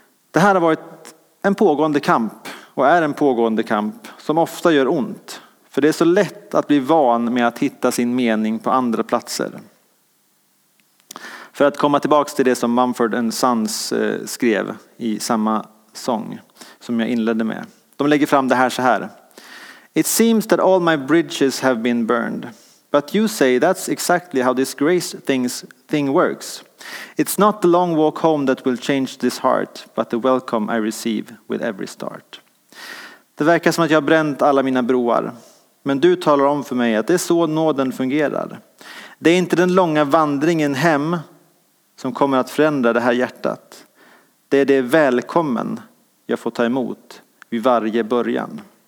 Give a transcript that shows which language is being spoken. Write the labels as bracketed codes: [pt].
[sv] Det här har varit en pågående kamp. Och är en pågående kamp som ofta gör ont. För det är så lätt att bli van med att hitta sin mening på andra platser. För att komma tillbaka till det som Mumford & Sons skrev i samma sång som jag inledde med. De lägger fram det här så här. [en] It seems that all my bridges have been burned. But you say that's exactly how this grace thing works. It's not the long walk home that will change this heart, but the welcome I receive with every start. [sv] Det verkar som att jag har bränt alla mina broar. Men du talar om för mig att det är så nåden fungerar. Det är inte den långa vandringen hem som kommer att förändra det här hjärtat. Det är det välkommen jag får ta emot vid varje början.